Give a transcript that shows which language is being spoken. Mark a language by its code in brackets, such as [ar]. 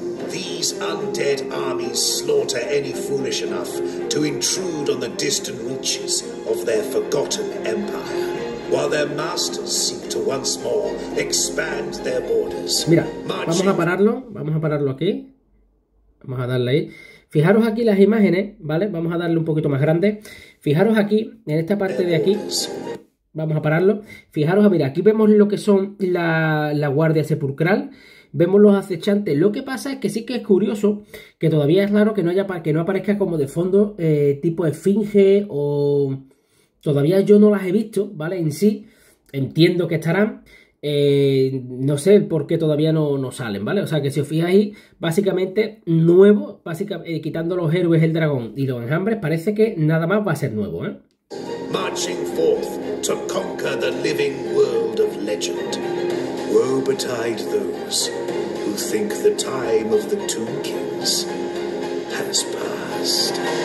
[en] These undead armies slaughter any foolish enough to intrude on the distant reaches of their forgotten empire, while their masters seek to once more expand their borders. [es] Mira, vamos a pararlo aquí, vamos a darle ahí. Fijaros aquí las imágenes, ¿vale? Vamos a darle un poquito más grande. Fijaros aquí, en esta parte de aquí, vamos a pararlo. Fijaros, mira, aquí vemos lo que son la guardia sepulcral. Vemos los acechantes. Lo que pasa es que sí que es curioso, que todavía es raro que no haya, que no aparezca como de fondo tipo esfinge, o todavía yo no las he visto, ¿vale? En sí, entiendo que estarán, no sé por qué todavía no salen, ¿vale? O sea, que si os fijáis, básicamente nuevo, básicamente quitando los héroes, el dragón y los enjambres, parece que nada más va a ser nuevo, ¿eh? [en] Marching forth to conquer the living world of legend. woe betide those who think the time of the two kings has passed.